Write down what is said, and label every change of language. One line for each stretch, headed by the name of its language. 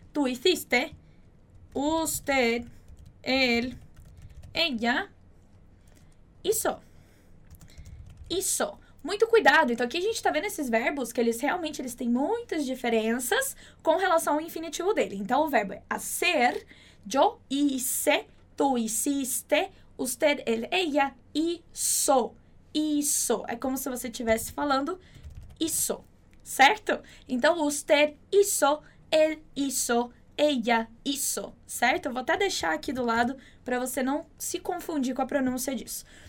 Spanish: Tú hiciste, usted, él, ella, hizo.
Portuguese: Muito cuidado. Então, aqui a gente está vendo esses verbos que eles realmente têm muitas diferenças com relação ao infinitivo dele.
Spanish: Então, o verbo é hacer, yo hice, tú hiciste, usted, él, ella, hizo.
Portuguese: É como se você estivesse falando isso. Certo?
Spanish: Então, usted hizo, él hizo, ella hizo.
Portuguese: Certo? Eu vou até deixar aqui do lado para você não se confundir com a pronúncia disso.